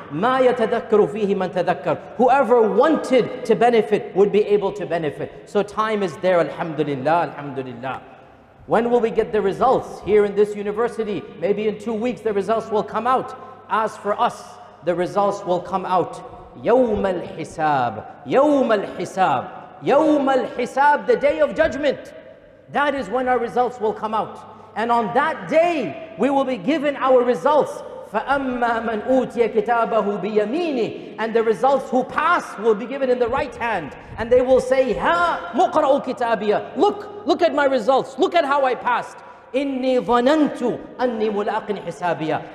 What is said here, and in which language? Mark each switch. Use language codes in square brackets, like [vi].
[ar] مَا يَتَذَكَّرُ فِيهِ مَنْ تَذَكَّرُ. [en] Whoever wanted to benefit would be able to benefit. So time is there, alhamdulillah, alhamdulillah. When will we get the results here in this university? Maybe in 2 weeks the results will come out. As for us, the results will come out. [ar] يوم الحساب, يوم الحساب, يوم الحساب, [en] the day of judgment. That is when our results will come out. And on that day, we will be given our results. [ar] فَأَمَّا مَنْ أُوْتِيَ كِتَابَهُ بِيَمِينِ. [en] And the results who pass will be given in the right hand. And they will say, [ar] هَا مُقْرَأُ كِتَابِيَ. [en] Look, look at my results. Look at how I passed. [ar] إِنِّي ظَنَنْتُ أَنِّي مُلَاقٍ حِسَابِيَ.